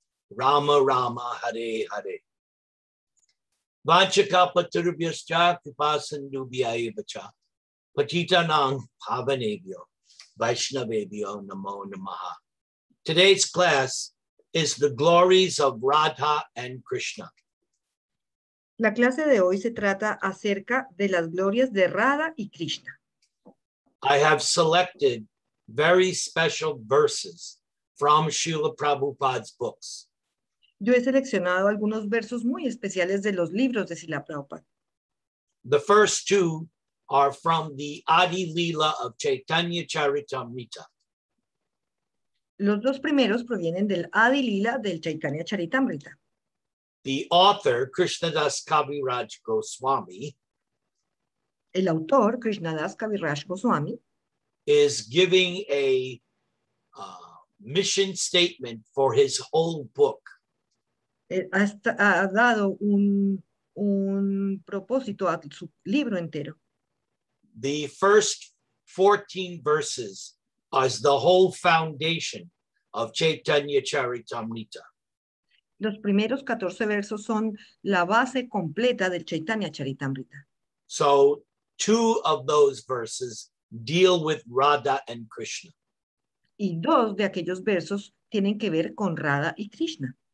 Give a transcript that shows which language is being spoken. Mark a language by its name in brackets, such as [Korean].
[Sanskrit] Rama Rama Hare Hare Vachakapatrubhyascha Kripasindubhyaivacha Patitanam Pavanebhyo Vaishnavebhyo Namo Namaha. [English] Today's class is the glories of Radha and Krishna. [Spanish] La clase de hoy se trata acerca de las glorias de Radha y Krishna. [English] I have selected very special verses from Srila Prabhupada's books. [Spanish] Yo he seleccionado algunos versos muy especiales de los libros de Srila Prabhupada. [English] The first two are from the Adi Lila of Chaitanya Charitamrita. [Spanish] Los dos primeros provienen del Adi Lila del Chaitanya Charitamrita. [English] The author, Krishnadas Kaviraj Goswami, [Spanish] el autor, Krishnadas Kaviraj Goswami, [English] is giving a mission statement for his whole book. [Spanish] Ha dado un propósito a su libro entero. [English] The first 14 verses are the whole foundation of Chaitanya Charitamrita. [Spanish] Los primeros 14 versos son la base completa del Chaitanya Charitamrita. [English] So, two of those verses deal with Radha and Krishna. [Spanish] Y dos de aquellos versos tienen que ver con Radha y Krishna.